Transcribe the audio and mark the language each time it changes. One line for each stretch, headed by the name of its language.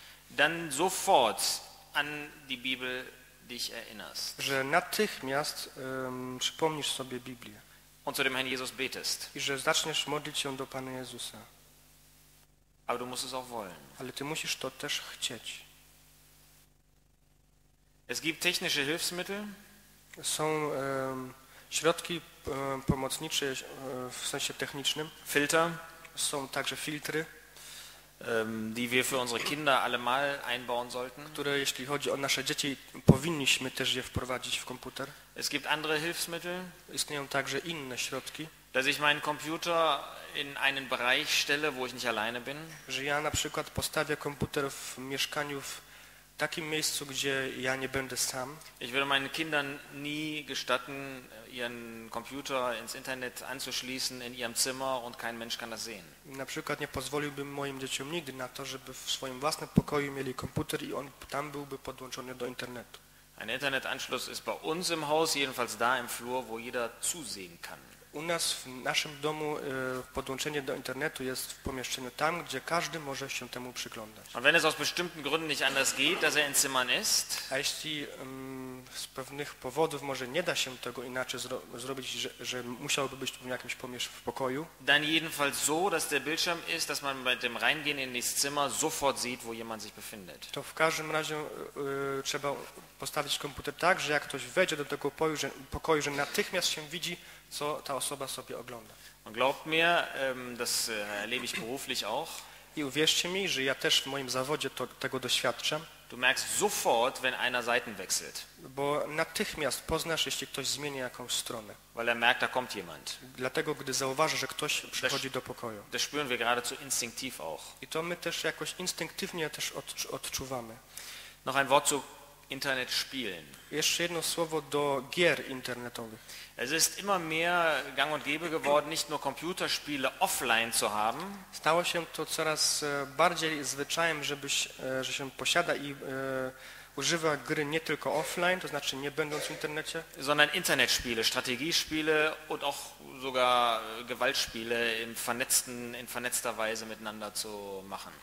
German: dann sofort an die Bibel dich erinnerst.
Polish: Że natychmiast przypomnisz sobie Biblię.
German: Und zu dem Herrn Jesus betest.
Polish: I że zaczniesz modlić się do Pana Jezusa.
German: Aber du musst es auch wollen.
Polish: Ale ty musisz to też chcieć.
German: Es gibt technische Hilfsmittel.
Polish: Są środki pomocnicze w sensie technicznym.
German: Filter.
Polish: Są także filtry,
German: die wir für unsere Kinder allemal einbauen sollten.
Polish: Które, jeśli chodzi o nasze dzieci, powinniśmy też je wprowadzić w komputer.
German: Es gibt andere Hilfsmittel.
Polish: Istnieją także inne środki.
German: Dass ich meinen Computer in einen Bereich stelle, wo ich nicht alleine bin.
Polish: Że ja na przykład postawię komputer w mieszkaniu w takim miejscu, gdzie ja nie będę sam.
German: Ich würde meinen Kindern nie gestatten, ihren Computer ins Internet anzuschließen in ihrem Zimmer und kein Mensch kann das sehen.
Polish: Na przykład nie pozwoliłbym moim dzieciom nigdy na to, żeby w swoim własnym pokoju mieli komputer i on tam byłby podłączony do internetu.
German: Ein Internetanschluss ist bei uns im Haus jedenfalls da im Flur, wo jeder zusehen kann.
Polish: U nas w naszym domu podłączenie do internetu jest w pomieszczeniu tam, gdzie każdy może się temu przyglądać.
German: Und wenn es aus bestimmten Gründen nicht anders geht, dass er in Zimmern ist.
Polish: A jeśli z pewnych powodów może nie da się tego inaczej zrobić, że musiałby być w jakimś pomieszczeniu w pokoju.
German: Dann jedenfalls so, dass der Bildschirm ist, dass man bei dem Reingehen in das Zimmer sofort sieht, wo jemand sich befindet.
Polish: To w każdym razie trzeba postawić komputer tak, że jak ktoś wejdzie do tego pokoju, że natychmiast się widzi, co ta osoba sobie ogląda.
German: Glaubt mir, das erlebe ich beruflich auch.
Polish: I uwierzcie mi, że ja też w moim zawodzie tego doświadczę.
German: Du merkst sofort, wenn einer Seiten wechselt.
Polish: Bo natychmiast poznasz, jeśli ktoś zmienia jakąś stronę.
German: Weil er merkt, da kommt jemand.
Polish: Dlatego, gdy zauważy, że ktoś przychodzi do pokoju.
German: Das spüren wir geradezu instinktiv auch.
Polish: I to my też jakoś instynktywnie też odczuwamy.
German: Noch ein Wort zu Internetspielen.
Polish: Jeszcze jedno słowo do gier internetowych.
German: Es ist immer mehr gang und gäbe geworden, nicht nur Computerspiele offline zu haben.
Polish: Stało się to coraz bardziej zwyczajem, że się posiada i używa gry nie tylko offline, to znaczy nie będąc w internecie.
German: Sondern Internetspiele, Strategiespiele und auch sogar Gewaltspiele in vernetzter Weise miteinander zu machen.